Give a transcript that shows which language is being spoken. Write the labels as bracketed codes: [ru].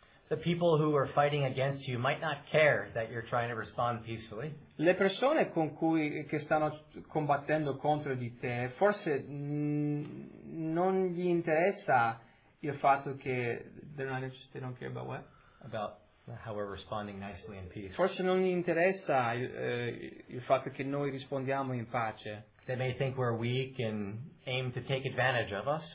[en] The people who are fighting against you might not care that you're trying to respond peacefully. [it] Le persone con cui che stanno combattendo contro di te, forse non gli interessa il fatto che [en] they're not interested, they don't care about what? About how we're responding nicely in peace. [it] Forse non gli interessa il fatto che noi rispondiamo in pace. [en] They may think we're weak and aim to take advantage of us.